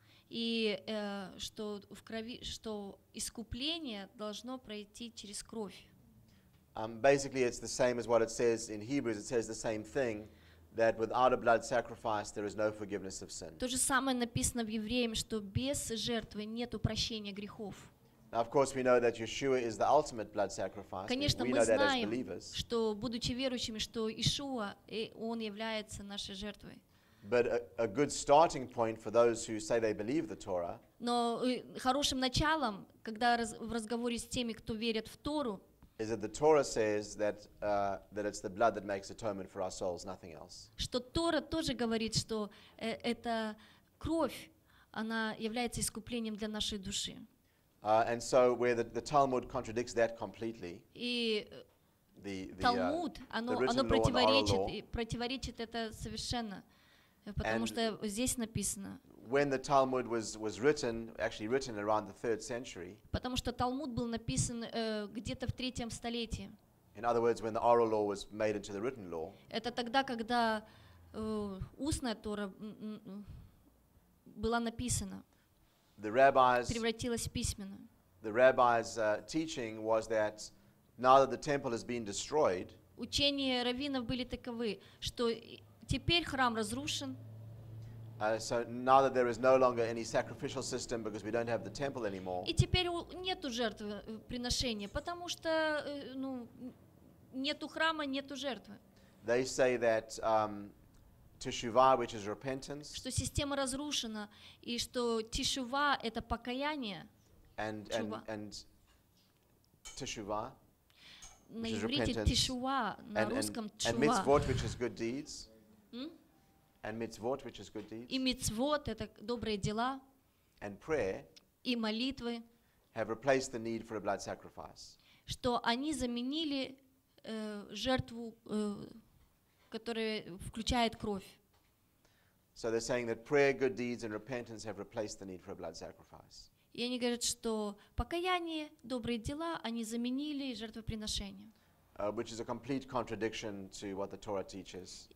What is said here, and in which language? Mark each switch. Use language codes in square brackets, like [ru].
[ru] И что в крови, что искупление должно пройти через кровь. [en] Basically, it's the same as what it says in Hebrews. It says the same thing that without a blood sacrifice there is no forgiveness of sin. [ru] То же самое написано в Евреям, что без жертвы нету прощения грехов. [en] Now, of course, we know that Yeshua is the ultimate blood sacrifice. [ru] Конечно, [en] we [ru] мы [en] know [ru] знаем, [en] that as believers. [ru] Что будучи верующими, что Иешуа, он является нашей жертвой. [en] But a good starting point for those who say they believe the Torah. [ru] Но хорошим началом, когда в разговоре с теми, кто верит в Тору, [en] is that the Torah says that it's the blood that makes atonement for our souls, nothing else. [ru] Что Тора тоже говорит, что эта кровь, она является искуплением для нашей души. [en] And so where the Talmud contradicts that completely. [ru] И Талмуд, оно противоречит это совершенно, потому что здесь написано. [en] When the Talmud was written, actually written around the 3rd century. [ru] Потому что Талмуд был написан где-то в третьем столетии. [en] In other words, when the oral law was made into the written law. [ru] Это тогда, когда устная Тора была написана. [en] The rabbis [ru] превратилась в письменно. [en] The rabbis' teaching was that now that the temple has been destroyed. [ru] Учения раввинов были таковы, что теперь храм разрушен. [en] So now that there is no longer any sacrificial system because we don't have the temple anymore. [ru] И теперь нету жертвы приношения, потому что нету храма, нету жертвы. [en] They say that teshuvah, which is repentance. [ru] Что система разрушена и что тешува это покаяние. [en] And teshuvah. [ru] На иврите тешува, на русском тешува. [en] And mitzvot, which is good deeds. And mitzvot, which is good deeds. [ru] И мицвот это добрые дела. [en] And prayer. [ru] И молитвы. [en] Have replaced the need for a blood sacrifice. [ru] Что они заменили жертву, которая включает кровь. [en] So they're saying that prayer, good deeds, and repentance have replaced the need for a blood sacrifice. [ru] И они говорят, что покаяние, добрые дела, они заменили жертвоприношение. [en] Which is a complete contradiction to what the Torah teaches.